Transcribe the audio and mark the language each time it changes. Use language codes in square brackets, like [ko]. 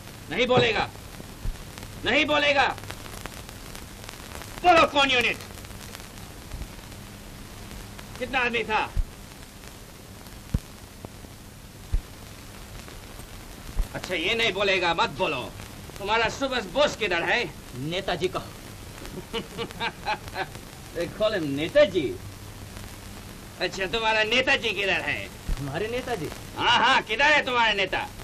[hi] नहीं बोलेगा, नहीं बोलेगा. बोलो कौन यूनिट? कितना आदमी था? अच्छा ये नहीं बोलेगा, मत बोलो. तुम्हारा सुभाष बोस किधर है? नेताजी को. [en] They call him Netaji. [hi] अच्छा तुम्हारा नेताजी किधर है? हमारे नेताजी. हाँ हाँ किधर है तुम्हारे नेता?